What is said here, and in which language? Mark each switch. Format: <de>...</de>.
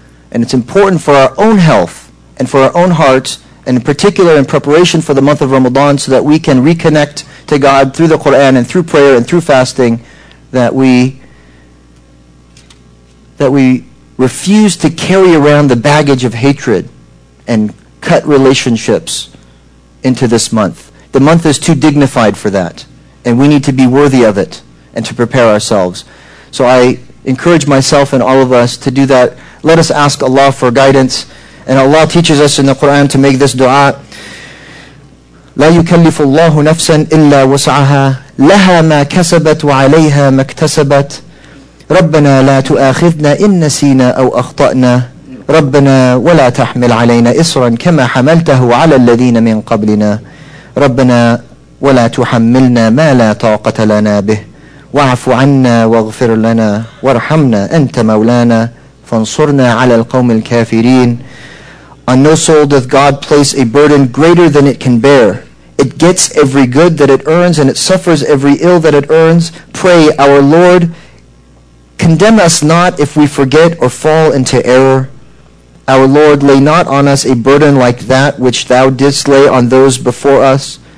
<en>And it's important for our own health and for our own hearts, and in particular in preparation for the month of Ramadan, so that we can reconnect to God through the Quran and through prayer and through fasting, that we refuse to carry around the baggage of hatred and cut relationships into this month. The month is too dignified for that, and we need to be worthy of it and to prepare ourselves. So I encourage myself and all of us to do that. Let us ask Allah for guidance. And Allah teaches us in the Quran to make this dua:</en> <ar>لا يكلف الله نفسا إلا وسعها لها ما كسبت وعليها ما اكتسبت ربنا لا تؤاخذنا إن نسينا أو أخطأنا ربنا ولا تحمل علينا إصرا كما حملته على الذين من قبلنا ربنا ولا تحملنا ما لا طاقة لنا به واعف عنا واغفر لنا وارحمنا أنت مولانا فانصرنا على القوم الكافرين.</ar> <en>On no soul doth God place a burden greater than it can bear. It gets every good that it earns, and it suffers every ill that it earns. Pray, our Lord, condemn us not if we forget or fall into error. Our Lord, lay not on us a burden like that which thou didst lay on those before us.</en>